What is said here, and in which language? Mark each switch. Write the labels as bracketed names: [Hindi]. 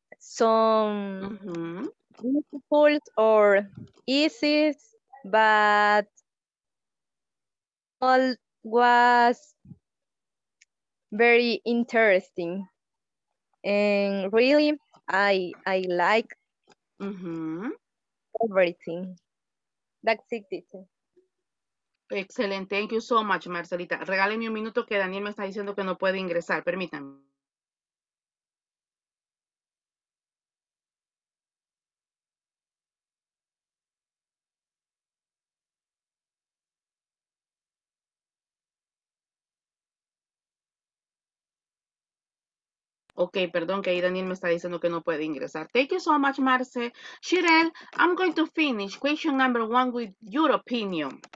[English] Some difficult or easy, but all was very interesting, and really I like everything. That's it. Excellent. Thank you so much, Marcelita. [Spanish] Regáleme un minuto que Daniel me está diciendo que no puede ingresar. Permítanme. Okay, perdón, que ahí Daniel me está diciendo que no puede ingresar. [English] Thank you so much, Marce. Shirel, I'm going to finish question number one with your opinion.